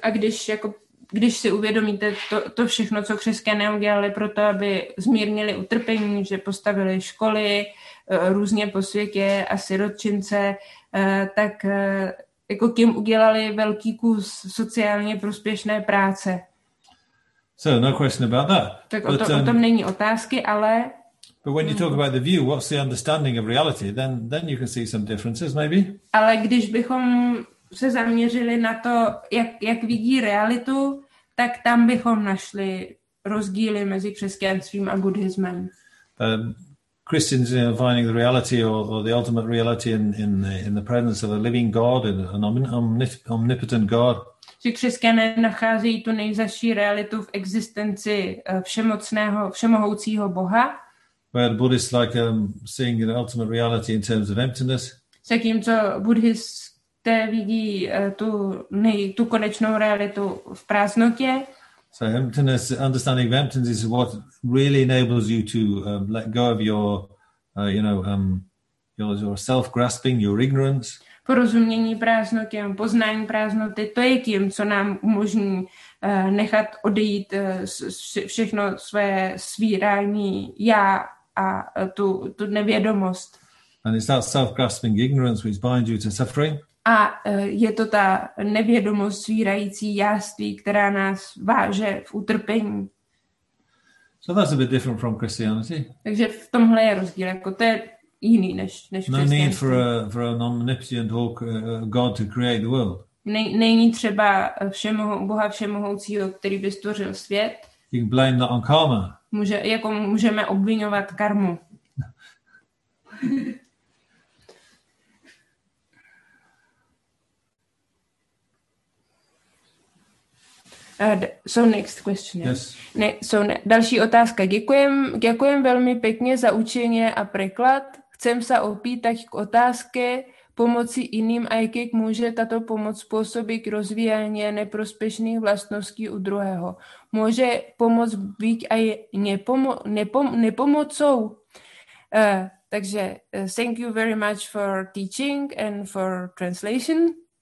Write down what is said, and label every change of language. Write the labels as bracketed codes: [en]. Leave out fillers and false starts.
[cs] A když si uvědomíte to všechno, co křesťané udělali pro to, aby zmírnili utrpení, že postavili školy různě po světě a sirotčince, tak jako tím udělali velký kus sociálně prospěšné práce. [en] So, no question about that. [cs] Tak o tom není otázky, ale... [en] But when you talk about the view, what's the understanding of reality, then you can see some differences, maybe. [cs] Ale když bychom se zaměřili na to, jak vidí realitu, tak tam bychom našli rozdíly mezi křesťanstvím a buddhismem. [en] Christians you know, finding the reality or the ultimate reality in the presence of a living God, an omnipotent God. [cs] Že křesťané nacházejí tu nejzazší realitu v existenci všemocného, všemohoucího Boha. [en] Where the Buddhists like seeing an ultimate reality in terms of emptiness. [cs] Zatímco buddhisté vidí tu konečnou realitu v prázdnotě. [en] So emptiness, understanding of emptiness is what really enables you to let go of your, your self-grasping, your ignorance. [cs] Porozumění prázdnoty, poznání prázdnoty, to je tím, co nám umožní nechat odejít všechno své svírání já a tu nevědomost. [en] And it's that self-grasping ignorance which binds you to suffering. [cs] A je to ta nevědomost svírající jáství, která nás váže v utrpení. [en] So that's a bit different from Christianity. [cs] Takže v tomhle je rozdíl, jako to je jiný než [en] no need for a omnipotent God to create the world. [cs] Není třeba Boha všemohoucího, který by stvořil svět. [en] You can blame that on karma. [cs] Můžeme obviňovat karmu. [en] So next question. Yes. [cs] Další otázka. Děkujem velmi pěkně za učení a překlad. Chcem se opýtať k otázce pomoci jiným a jak může tato pomoc způsobit rozvíjání neprospěšných vlastností u druhého. Může pomoc být i nepomocou? Takže [en] thank you very much for teaching and for translation.